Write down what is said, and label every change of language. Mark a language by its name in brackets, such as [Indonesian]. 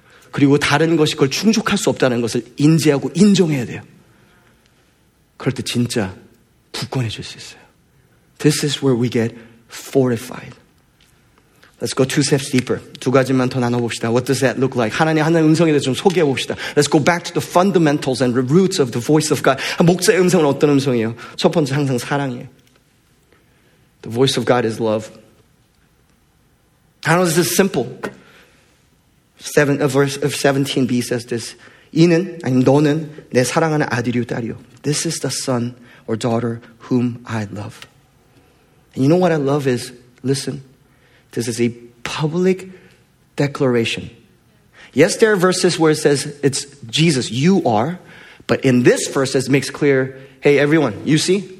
[Korean] 그리고 다른 것이 그걸 충족할 수 없다는 것을 인지하고 인정해야 돼요. 그럴 때 진짜 굳건해질 수 있어요. [English] This is where we get fortified. Let's go two steps deeper. [Korean] 두 가지만 더 나눠봅시다. [English] What does that look like? [Korean] 하나님의 하나님의 음성에 대해서 좀 소개해봅시다. [English] Let's go back to the fundamentals and the roots of the voice of God. [Korean] 목사의 음성은 어떤 음성이에요? 첫 번째, 항상 사랑이에요. [English] The voice of God is love. I know this is simple. Verse 17b says this. [Korean] 이는, 아니 너는 내 사랑하는 아들이요 딸이요. [English] This is the son or daughter whom I love. And you know what I love is? Listen. This is a public declaration. Yes, there are verses where it says it's Jesus, you are. But in this verse, it makes clear, hey, everyone, you see?